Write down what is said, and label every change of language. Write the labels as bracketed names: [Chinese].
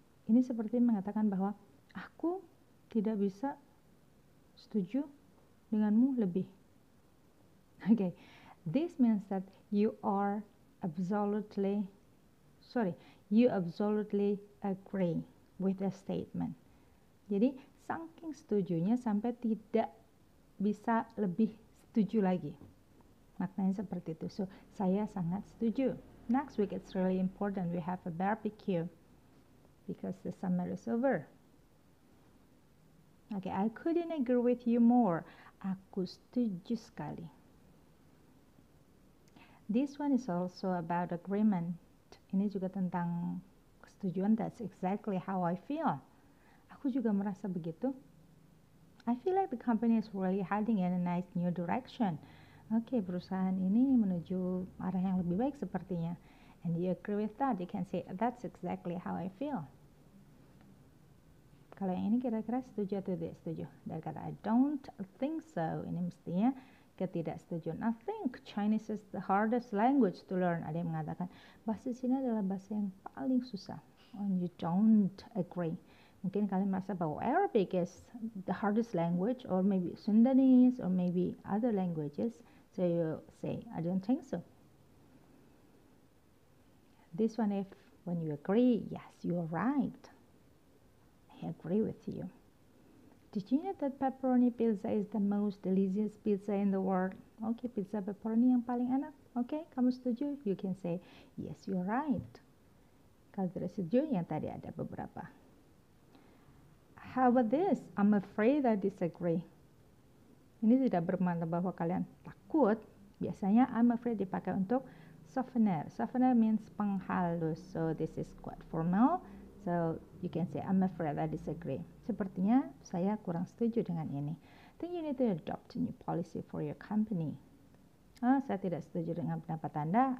[Indonesian] Ini seperti mengatakan bahwa aku tidak bisa setuju denganmu lebih. [English] Okay. This means that you absolutely agree with the statement. [Indonesian] Jadi, saking setujunya sampai tidak bisa lebih setuju lagi. Maknanya seperti itu. So, saya sangat setuju. [English] Next week it's really important we have a barbecue because the summer is over. Okay, I couldn't agree with you more. [Indonesian] Aku setuju sekali. [English] This one is also about agreement. [Indonesian] Ini juga tentang kesetujuan. [English] That's exactly how I feel. [Indonesian] Aku juga merasa begitu. [English] I feel like the company is really heading in a nice new direction. [Indonesian] Okay, perusahaan ini menuju arah yang lebih baik sepertinya. [English] And you agree with that, you can say, that's exactly how I feel. [Indonesian] Kalau yang ini kira-kira setuju atau tidak setuju? Dari kata, [English] I don't think so. [Indonesian] Ini mestinya ketidaksetujuan. [English] I think Chinese is the hardest language to learn. [Indonesian] Ada yang mengatakan bahasa Cina adalah bahasa yang paling susah. [English] And you don't agree. [Indonesian] Mungkin kalian merasa bahwa [English] Arabic is the hardest language, or maybe Sundanese, or maybe other languages. So you say, I don't think so. This one, if when you agree, yes, you are right. I agree with you. Did you know that pepperoni pizza is the most delicious pizza in the world? [Indonesian] Okay, pizza pepperoni yang paling enak. Okay, kamu setuju? [English] You can say, yes, you're right. [Indonesian] Kalau tidak setuju, yang tadi ada beberapa. [English] How about this? I'm afraid I disagree. [Indonesian] Ini tidak bermakna bahwa kalian takut. Biasanya I'm afraid dipakai untuk softener. [English] Softener means [Indonesian] penghalus. [English] So this is quite formal. So you can say I'm afraid I disagree. [Indonesian] Sepertinya saya kurang setuju dengan ini. [English] Then you need to adopt a new policy for your company. [Indonesian] Oh, saya tidak setuju dengan pendapat Anda.